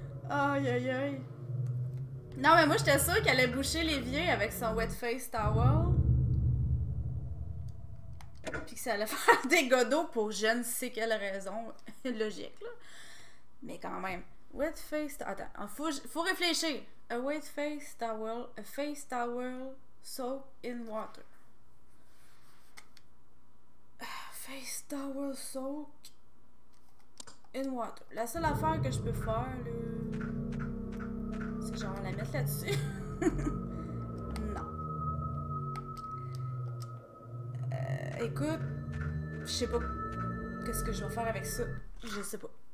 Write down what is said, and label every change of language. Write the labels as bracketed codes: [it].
[fr] Aïe aïe aïe. Non, mais moi j'étais sûre qu'elle allait boucher l'évier avec son wet face towel. Puis que ça allait faire des godots pour je ne sais quelle raison. Logique, là. Mais quand même. Wet face towel. Attends, faut réfléchir. [en] A wet face towel. A face towel soaked in water. Face towel soaked in water. [fr] La seule affaire que je peux faire, là. C'est genre la mettre là-dessus. Non. Écoute, je sais pas Qu'est-ce que je vais faire avec ça? Je sais pas.